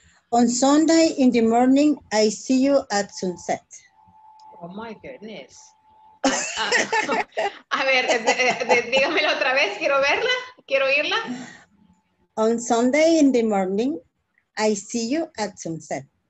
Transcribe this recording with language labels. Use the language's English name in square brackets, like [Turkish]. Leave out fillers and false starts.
[English] On Sunday in the morning, I see you at sunset. Oh my goodness. [Spanish] A ver, dígamelo otra vez, quiero verla, quiero oírla. [English] On Sunday in the morning, I see you at sunset.